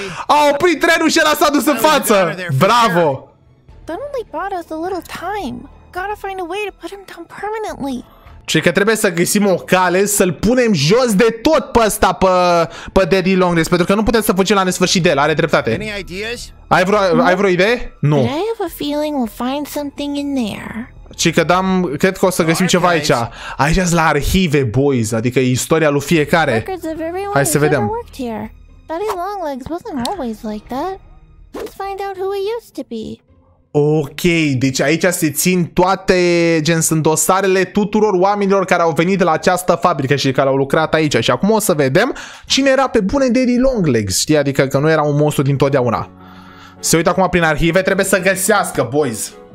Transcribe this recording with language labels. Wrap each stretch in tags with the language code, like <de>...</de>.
<ro>A oprit trenul și l-a dus în față. Bravo.</ro> <en>That only bought us a little time. Gotta find a way to put him down permanently.</en> <ro>Și că trebuie să găsim o cale să-l punem jos de tot pe ăsta, pe Daddy Longlegs, pentru că nu putem să fugim la nesfârșit de el, are dreptate. Ai vreo idee? Nu.</ro> <en>But I have a feeling we'll find something in there.</en> <ro>Și că cred că o să găsim ceva aici. Aici sunt la arhive, boys, adică istoria lui fiecare. Hai să vedem.</ro> <en>Daddy Longlegs wasn't always like that. Let's find out who he used to be.</en> <ro>Ok, deci aici se țin toate, gen, sunt dosarele tuturor oamenilor care au venit de la această fabrică și care au lucrat aici. Și acum o să vedem cine era pe bune Daddy Longlegs, știi? Adică că nu era un monstru dintotdeauna. Se uită acum prin arhive, trebuie să găsească, boys.</ro>